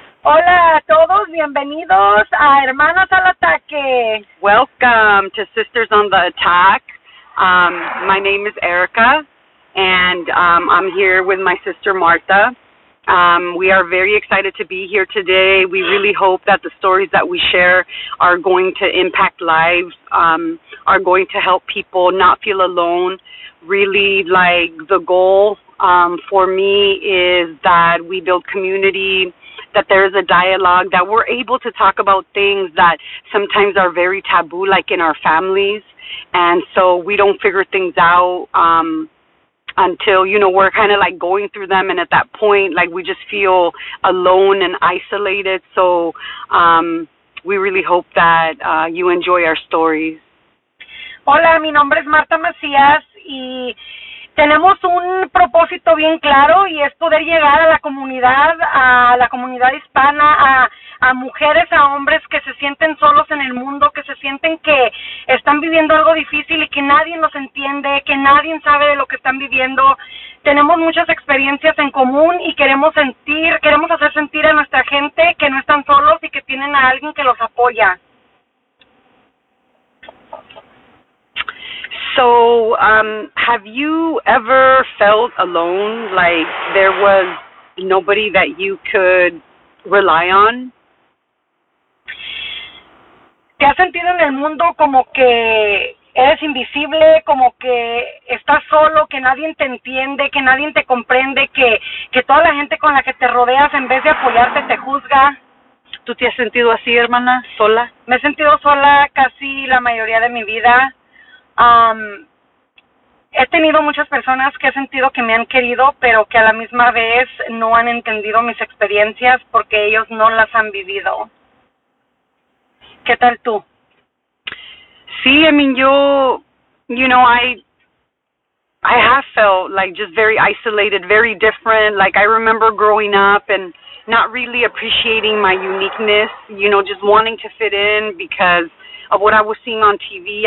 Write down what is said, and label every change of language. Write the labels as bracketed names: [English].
[Spanish] Hola a todos, bienvenidos a Hermanas al Ataque. [English] Welcome to Sisters on the Attack. My name is Erica, and I'm here with my sister Martha. We are very excited to be here today. We really hope that the stories that we share are going to impact lives, are going to help people not feel alone. Really, like, the goal for me is that we build community, that there is a dialogue, that we're able to talk about things that sometimes are very taboo, like in our families. And so we don't figure things out until, you know, we're kind of like going through them. And at that point, like, we just feel alone and isolated. So we really hope that you enjoy our stories. [Spanish] Hola, mi nombre es Martha Macias y tenemos un propósito bien claro y es poder llegar a la comunidad hispana, a mujeres, a hombres que se sienten solos en el mundo, que se sienten que están viviendo algo difícil y que nadie los entiende, que nadie sabe de lo que están viviendo. Tenemos muchas experiencias en común y queremos hacer sentir a nuestra gente que no están solos y que tienen a alguien que los apoya. [English] So, have you ever felt alone, like there was nobody that you could rely on? [Spanish] ¿Te has sentido en el mundo como que eres invisible, como que estás solo, que nadie te entiende, que nadie te comprende, que toda la gente con la que te rodeas en vez de apoyarte te juzga? ¿Tú te has sentido así, hermana, sola? Me he sentido sola casi la mayoría de mi vida. He tenido muchas personas que he sentido que me han querido, pero que a la misma vez no han entendido mis experiencias porque ellos no las han vivido. ¿Qué tal tú? [English] Sí, I mean, yo, you know, I have felt like just very isolated, very different. Like, I remember growing up and not really appreciating my uniqueness, you know, just wanting to fit in because of what I was seeing on TV.